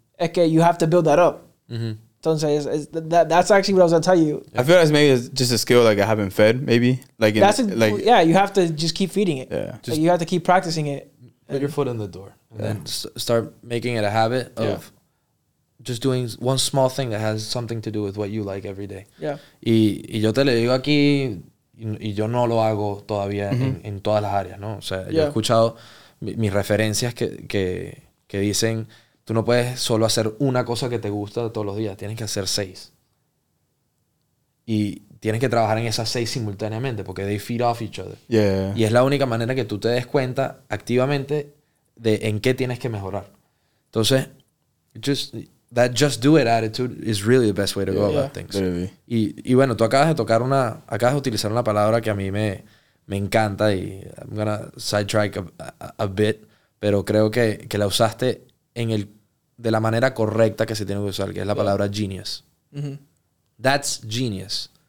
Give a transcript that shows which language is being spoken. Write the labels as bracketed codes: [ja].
[es] es que [en] you have to build that up. Mm-hmm. Entonces, that's actually what I was going to tell you. I feel like maybe it's just a skill like I haven't fed, maybe. Yeah, you have to just keep feeding it. Yeah. Like, you have to keep practicing it. Put your foot in the door. And then start making it a habit of just doing one small thing that has something to do with what you like every day. Yeah. [es] Y yo te le digo aquí, y yo no lo hago todavía en todas las áreas, ¿no? O sea, yo he escuchado mis referencias que dicen, tú no puedes solo hacer una cosa que te gusta todos los días, tienes que hacer seis. Y tienes que trabajar en esas seis simultáneamente porque [en] they feed off each other. Yeah. [es] Y es la única manera que tú te des cuenta activamente de en qué tienes que mejorar. [en] Entonces, that just do it attitude is really the best way to go about things. Literally. [es] Y bueno, tú acabas de utilizar una palabra que a mí me encanta y [en] I'm gonna sidetrack a bit, [es] pero creo que la usaste de la manera correcta que se tiene que usar, que es la palabra genius. [en] Mm-hmm. That's genius.